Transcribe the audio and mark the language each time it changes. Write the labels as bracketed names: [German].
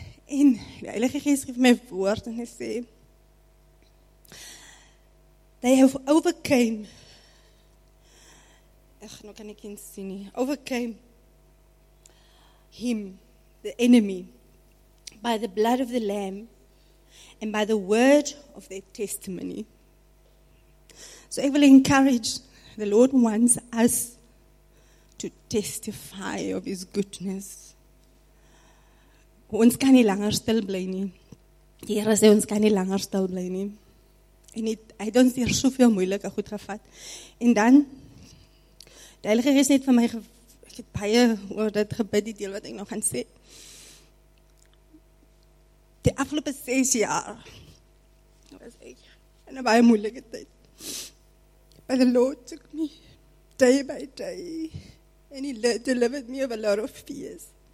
[Afrikaans] En die Heilige Gees geef my woord en hy sê, [English] they have overcame. [Afrikaans] Ek nou kan ek nie sien nie. [English] Overcame him the enemy by the blood of the Lamb and by the word of their testimony. So I will encourage, the Lord wants us to testify of his goodness. [Afrikaans] Ons kan nie langer stil bly nie. Die Here sê ons kan nie langer stil bly nie. En het, hy het ons hier soveel moeilike goed gevat. En dan, die Heilige Gees net van my, ek het baie oor dit gebid, die deel wat ek nog gaan sê. Die afgelopen 6 jaar, was ek in een baie moeilike tyd. [English] But the Lord took me day by day, and he delivered me of a lot of fears.